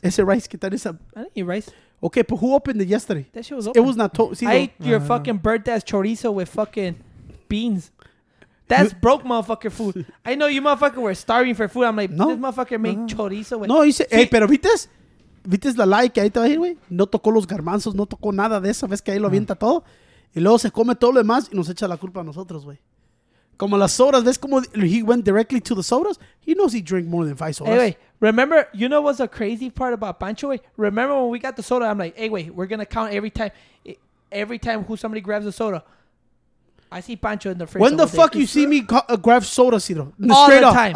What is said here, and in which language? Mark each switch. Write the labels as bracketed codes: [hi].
[es] Ese rice, ¿qué tal esa? [en] I didn't eat rice. Okay, but who opened it yesterday? That shit was open. It was not... See, I ate your fucking burnt-ass chorizo with fucking beans. That's broke motherfucker food. I know you motherfucker were starving for food. I'm like, no, this motherfucker make chorizo. No, you say, hey, [es] pero vites? Vites la like que ahí te va a ir, güey? No tocó los garmanzos, no tocó nada de eso. Ves que ahí lo avienta todo. Y luego se come todo lo demás y nos echa la culpa a nosotros, güey. Como las sodas, ves como [en] he went directly to the sodas? He knows he drank more than 5 sodas. Hey, wait, remember, you know what's the crazy part about Pancho, güey? Remember when we got the soda, I'm like, hey, wait, we're going to count every time who somebody grabs a soda. I see Pancho in the fridge. When the fuck you see me grab soda, Ciro? All the time.